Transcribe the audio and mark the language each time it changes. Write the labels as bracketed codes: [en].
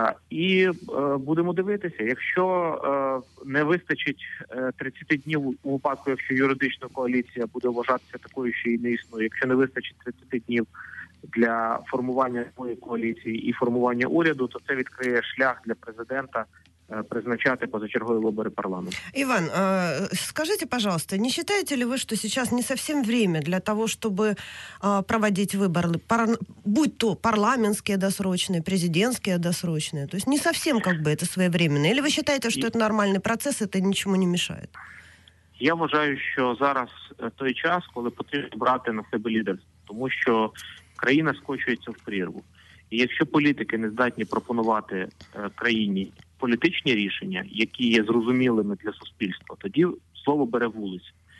[uk] І будемо дивитися, якщо не вистачить 30 днів у випадку, якщо юридична коаліція буде вважатися такою, що і не існує, якщо не вистачить 30 днів для формування нової коаліції і формування уряду, то це відкриє шлях для президента призначати позачергові вибори парламенту. Іван, скажіть, [ru] пожалуйста, не считаете ли вы, что сейчас не совсем время для того, чтобы проводить выборы, будь то парламентские досрочные, президентские досрочные, то есть не совсем как бы это своевременно, или вы считаете, что это нормальный процесс, это ничему не мешает? [uk] Я вважаю, що зараз той час, коли потрібно брати на себе лідерство, тому що країна скочується в прірву. І якщо політики не здатні пропонувати країні політичні рішення, які є зрозумілими для суспільства, тоді слово бере вулиця.